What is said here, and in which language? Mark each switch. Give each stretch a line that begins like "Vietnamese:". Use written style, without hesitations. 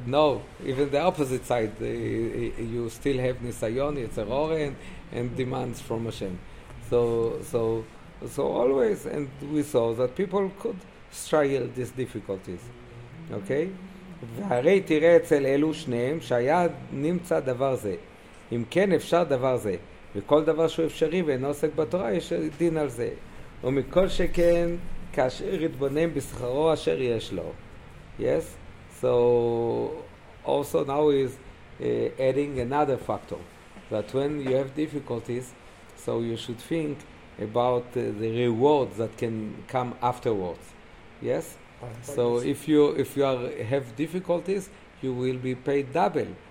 English: No, even the opposite side, you still have nisayon, yetzer hara, and demands from Hashem. So always, and we saw that people could struggle these difficulties. Okay?
Hebrew: והרי תראה אצל אלו שניהם שהיה נמצא דבר זה. אם כן אפשר דבר זה. וכל דבר שהוא אפשרי ואין עוסק בתורה, יש דין על זה. ומכל שכן, כאשר יתבונן בשכרו אשר יש לו.
English: Yes? So, also now is adding another factor. That when you have difficulties, so you should think about the reward that can come afterwards. Yes? So if you have difficulties, you will be paid double.